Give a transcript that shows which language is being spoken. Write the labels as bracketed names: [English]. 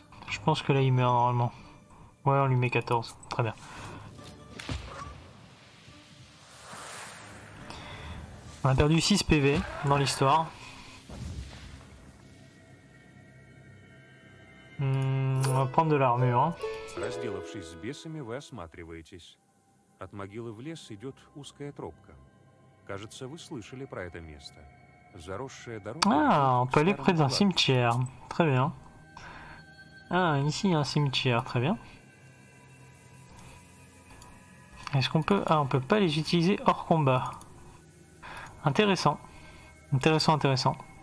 [French] Je pense que là, il meurt normalement. Ouais, on lui met 14. Très bien. On a perdu 6 PV dans l'histoire. On va prendre de l'armure. [Russian] Разделавшись с бесами, вы осматриваетесь. От могилы в лес идет узкая тропка. Кажется, вы слышали про это место. Заросшая дорога... [French] Ah, on peut aller près d'un cimetière. Très bien. Ah, ici, il y a un cimetière. Très bien. Est-ce qu'on peut... Ah, on peut pas les utiliser hors combat. Intéressant. Intéressant, intéressant.